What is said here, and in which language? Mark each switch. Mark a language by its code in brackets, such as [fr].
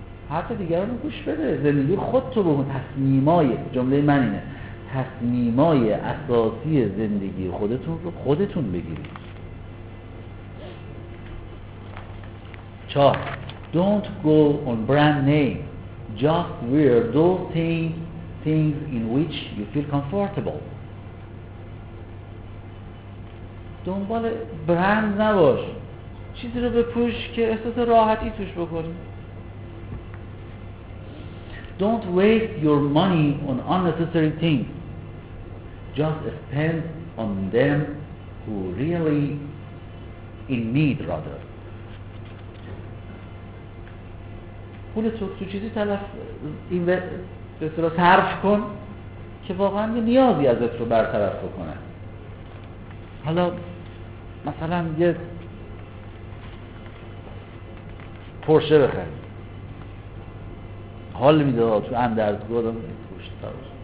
[fa] حرف دیگران رو گوش بده. زندگی خود تو بگو. تصمیمای جمله من اینه، تصمیمای اساسی زندگی خودتون رو خودتون بگیرید. [en] چهار، don't go on brand name, just wear those things in which you feel comfortable. [fa] دنبال برند نباش، چیزی رو بپوش که احساس راحتی توش بکنی. [en] Don't waste your money on unnecessary things, just spend on them who really in need rather. [fa] پول تو چیزی تلف این به اصطلاح صرف کن که واقعا یه نیازی ازت رو برطرف کنه. حالا مثلا یه پورشه بخری، حال میده تو اندرز گودم پشت طرف.